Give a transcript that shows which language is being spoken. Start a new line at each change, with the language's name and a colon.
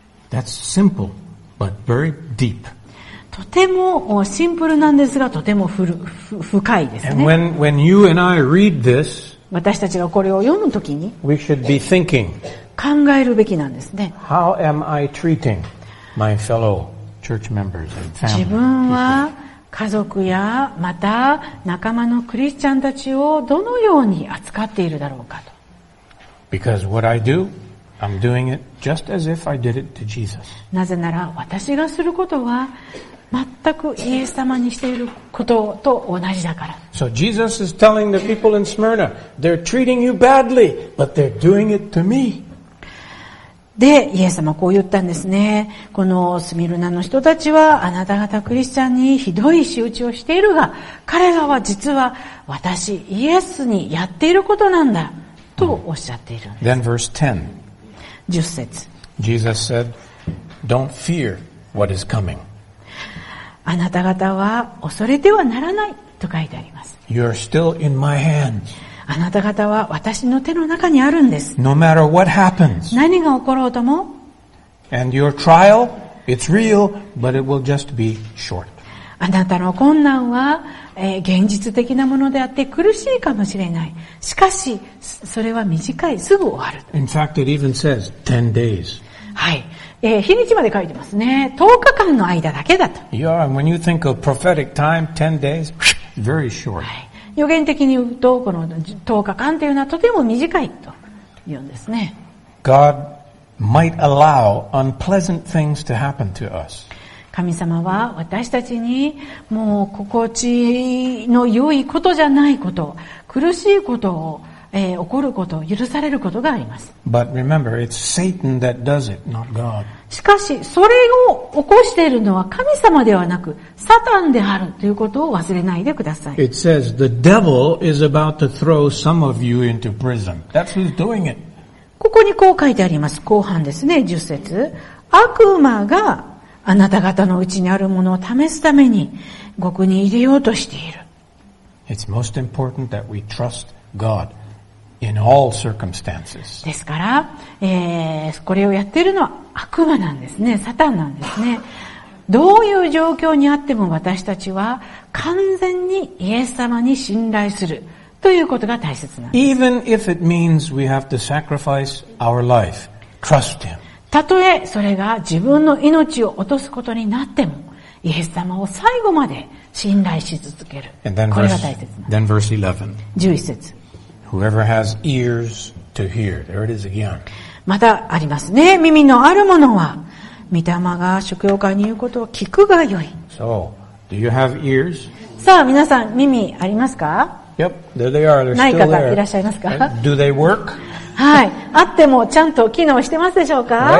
English: That's simple, but very deep.
Japanese: とてもシンプルなんですが、とても深いですね。
English: And when you and I read this,
Japanese: 私たちがこれを読むときに、
English: we should be thinking,
Japanese: 考えるべきなんですね。
English: How am I treating my fellow church members and family?
Japanese: 自分は家族やまた仲間のクリスチャンたちをどのように扱っているだろうかと。
English: Because what I do, I'm doing it just as if I did it to Jesus.
Japanese: なぜなら私がすることは全くイエス様にしていることと同じだから。
English: So Jesus is telling the people in Smyrna, they're treating you badly, but they're doing it to me.
Japanese: で、イエス様こう言ったんですね。このスミルナの人たちはあなた方クリスチャンにひどい仕打ちをしているが、彼らは実は私、イエスにやっていることなんだとおっしゃっているんです。
English: Then verse 10.
Japanese: 10節。
English: Jesus said, Don't fear what is coming.
Japanese: あなた方は恐れてはならないと書いてあります。
English: You're still in my hands.
Japanese: あなた方は私の手の中にあるんです。
English: No matter what happens.
Japanese: 何が起ころうとも。
English: And your trial, it's real, but it will just be short.
Japanese: あなたの困難は、現実的なものであって苦しいかもしれない。しかし、それは短い、すぐ終わる。
English: In fact, it even says 10 days.
Japanese: はい。日にちまで書いてますね。 10日間の間だけだと。
English: Yeah, and when you think of prophetic time, 10 days, very short.
Japanese: はい。予言的に言うと、この10日間というのはとても短いと言うんですね。
English: God might allow unpleasant things to happen to us.
Japanese: 神様は私たちにもう心地の良いことじゃないこと、苦しいことを、起こること、許されることがあります。
English: But remember, it's Satan that does it, not God.
Japanese: しかし、それを起こしているのは神様ではなく、サタンであるということを忘れないでください。
English: It says, the devil is about to throw some of you into prison. That's who's doing it.
Japanese: ここにこう書いてあります。後半ですね、10節。悪魔があなた方のうちにあるものを試すために、獄に入れようとしている。
English: It's most important that we trust God. In all circumstances.
Japanese: ですから、これをやっているのは悪魔なんですね、サタンなんですね。どういう状況にあっても私たちは完全にイエス様に信頼するということが大切なんです。
English: Even if it means we have to sacrifice our life, trust him.
Japanese: たとえそれが自分の命を落とすことになっても、イエス様を最後まで信頼し続ける。
English: And then
Japanese: これが大切なんです。 11 節。
English: Whoever has ears to hear, there it is again.
Japanese: またありますね。耳のある者は、御霊が祝福会に言うことを聞くがよい。
English: So, do you have ears?
Japanese: さあ、皆さん、耳ありますか?
English: Yep, there they are. They're still there.
Japanese: ない方いらっしゃいますか?
English: Do they work?
Japanese: はい。あってもちゃんと機能してますでしょうか?